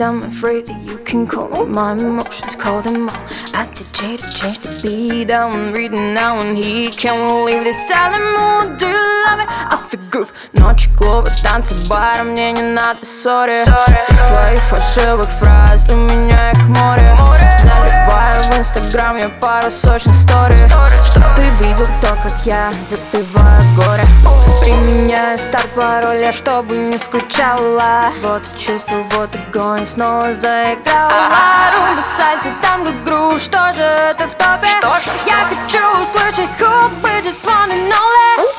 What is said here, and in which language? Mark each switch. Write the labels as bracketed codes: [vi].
[en] I'm afraid that you can call my emotions, call them all. Ask DJ to change the beat. I'm reading now and he can't leave this silent mood. Do you love it? I feel groove. [ru] Ночь клуба, танцы, бар, а мне не надо, сори. Все твои фальшивые фразы, у меня их море. Заливаю в инстаграм я пару сочных стори. Чтоб ты видел то, как я запиваю горе. Применяю старт пароля, чтобы не скучала. Вот чувство, вот огонь, снова заиграла. Румба, сальса, танго, грув, что же это в топе? Я хочу услышать хук, [en] we just wanna know that.